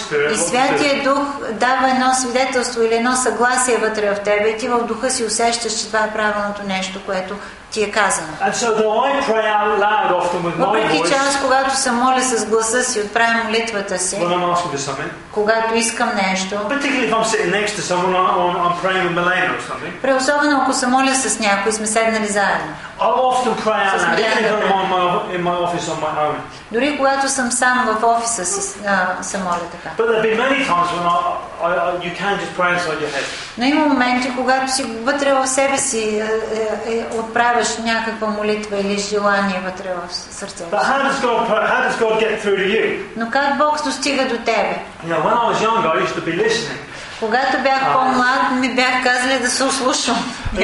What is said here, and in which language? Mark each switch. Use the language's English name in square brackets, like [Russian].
[Bulgarian] И Святия Дух дава едно свидетелство или едно съгласие вътре в тебе и ти в духа си усещаш, че това е правилното нещо, което ти е казано. [English] And so though I pray out loud often with my voice, [Bulgarian] че аз, когато се моля с гласа си, отправям молитвата си, [English] when I'm asking for something, [Bulgarian] когато искам нещо, [English] particularly if I'm sitting next to someone, I'm praying with Milena or something. [Bulgarian] Преособено ако се моля с някой, сме седнали заедно. [English] I'll often pray out loud, even though I'm in my office on my own. [Bulgarian] Дори когато съм сам в офиса си, се моля така. [English] But there've been many times when you can just pray inside your head. [Bulgarian] Но има моменти, когато си вътре в себе си отправяш някаква молитва или желание вътре в сърцето. [English] But how does God get through to you? [Bulgarian] Но как Бог достига до тебе? [English] You know, when I was younger, I used to be listening. [Bulgarian] Когато бях по-млад, ми бях казали да се услушам.